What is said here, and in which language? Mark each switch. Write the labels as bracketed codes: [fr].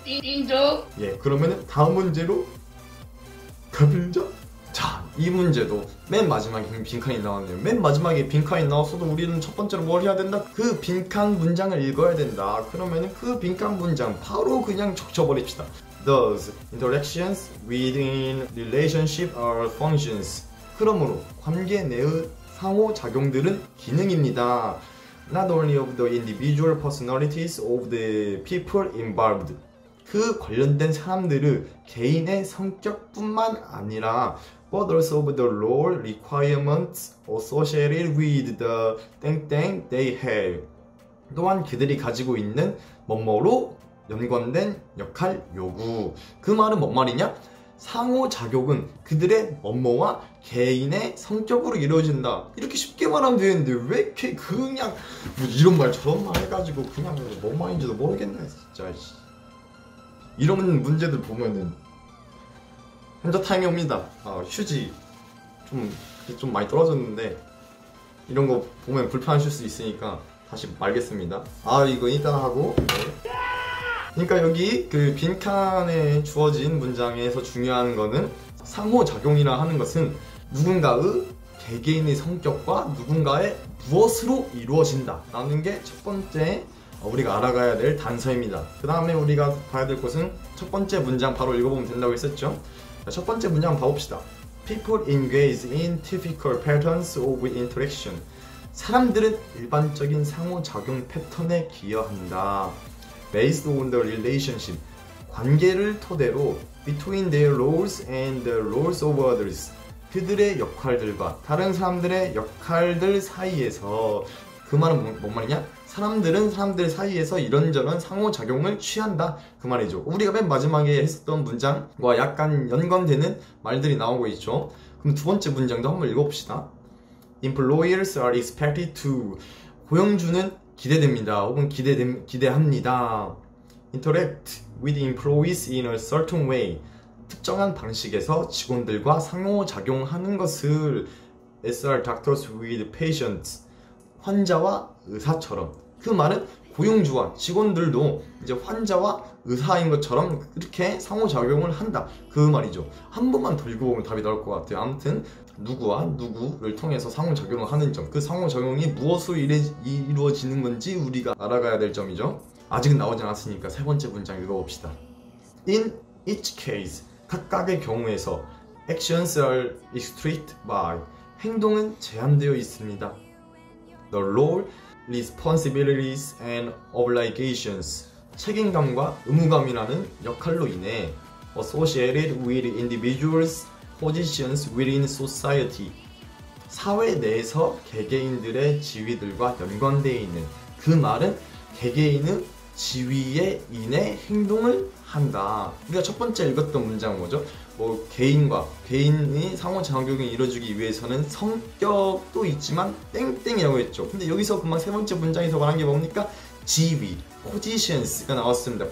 [ko] 띵죠. 예, 그러면 다음 문제로 가보죠. 자, 이 문제도 맨 마지막에 빈칸이 나왔네요. 맨 마지막에 빈칸이 나왔어도 우리는 첫 번째로 뭘 해야 된다? 그 빈칸 문장을 읽어야 된다. 그러면 그 빈칸 문장 바로 그냥 적셔버립시다. [en] Those interactions within relationship are functions. [ko] 그러므로 관계 내의 상호작용들은 기능입니다. [en] Not only of the individual personalities of the people involved. [ko] 그 관련된 사람들의 개인의 성격뿐만 아니라 [en] but also of the role requirements associated with the thing they have. [ko] 또한 그들이 가지고 있는 뭐뭐로 연관된 역할 요구. 그 말은 뭔 말이냐? 상호작용은 그들의 뭐뭐와 개인의 성격으로 이루어진다. 이렇게 쉽게 말하면 되는데 왜 이렇게 그냥 뭐 이런 말 저런 말 해가지고 그냥 뭔 말인지도 모르겠네 진짜. 이런 문제들 보면은 현저 타임이 옵니다. 아, 휴지 좀 많이 떨어졌는데 이런 거 보면 불편하실 수 있으니까 다시 말겠습니다. 아 이거 이따 하고. 그러니까 여기 그 빈칸에 주어진 문장에서 중요한 거는 상호작용이라 하는 것은 누군가의 개개인의 성격과 누군가의 무엇으로 이루어진다 라는 게 첫 번째 우리가 알아가야 될 단서입니다. 그 다음에 우리가 봐야 될 것은 첫 번째 문장 바로 읽어보면 된다고 했었죠. 첫 번째 문장 봐봅시다. [en] People engage in typical patterns of interaction. [ko] 사람들은 일반적인 상호작용 패턴에 기여한다. [en] Based on the relationship, [ko] 관계를 토대로 [en] between their roles and the roles of others, [ko] 그들의 역할들과 다른 사람들의 역할들 사이에서. 그 말은 뭔 말이냐? 사람들은 사람들 사이에서 이런저런 상호작용을 취한다. 그 말이죠. 우리가 맨 마지막에 했었던 문장과 약간 연관되는 말들이 나오고 있죠. 그럼 두 번째 문장도 한번 읽어봅시다. [en] Employers are expected to. [ko] 고용주는 기대됩니다. 혹은 기대합니다. [en] Interact with employees in a certain way. [ko] 특정한 방식에서 직원들과 상호작용하는 것을 [en] SR doctors with patients. [ko] 환자와 의사처럼. 그 말은 고용주와 직원들도 이제 환자와 의사인 것처럼 이렇게 상호작용을 한다. 그 말이죠. 한 번만 더 읽어보면 답이 나올 것 같아요. 아무튼 누구와 누구를 통해서 상호작용을 하는 점, 그 상호작용이 무엇으로 이루어지는 건지 우리가 알아가야 될 점이죠. 아직은 나오지 않았으니까 세 번째 문장 읽어봅시다. [en] In each case, [ko] 각각의 경우에서 [en] actions are restricted by, [ko] 행동은 제한되어 있습니다. [en] The role, responsibilities and obligations, [ko] 책임감과 의무감이라는 역할로 인해 [en] associated with individuals' positions within society, [ko] 사회 내에서 개개인들의 지위들과 연관되어 있는. 그 말은 개개인의 지위에 인해 행동을 한다. 그러니까 첫 번째 읽었던 문장 뭐죠? 뭐 개인이 상호작용이 이루어지기 위해서는 성격도 있지만 땡땡이라고 했죠. 근데 여기서 금방 세 번째 문장에서 말한 게 뭡니까? 지위, positions가 나왔습니다.